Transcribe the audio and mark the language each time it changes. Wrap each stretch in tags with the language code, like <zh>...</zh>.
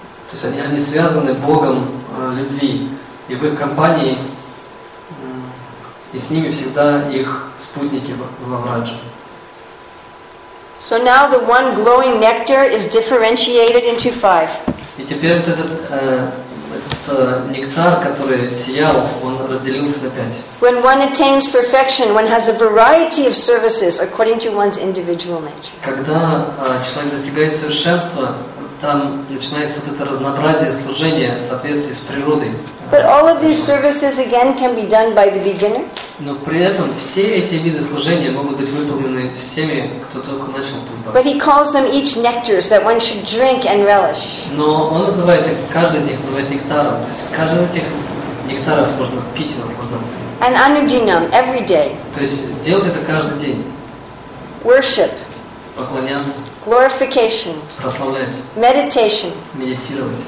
<ru>То есть они связаны Богом любви, и в их компании, и с ними всегда их спутники во Врадже.</ru> <en>So now the one glowing nectar is differentiated into five.</en> <ru>И теперь вот этот нектар, который сиял, он разделился на пять.</ru> <en>When one attains perfection, one has a variety of services according to one's individual nature.</en> <ru>Когда человек достигает совершенства, там начинается вот это разнообразие служения в соответствии с природой.</ru> <en>But all of these services again can be done by the beginner.</en> <ru>Но при этом все эти виды служения могут быть выполнены всеми, кто только начал путь.</ru> <en>But he calls them each nectars that one should drink and relish.</en> <ru>Но он называет каждый из них называет нектаром, то есть каждый из этих нектаров можно пить и наслаждаться.</ru> <en>And anudinam every day.</en> <ru>То есть делать это каждый день.</ru> <en>Worship.</en> <ru>Поклоняться.</ru> <en>Glorification.</en> <ru>Прославлять.</ru> <en>Meditation.</en> <ru>Медитировать.</ru>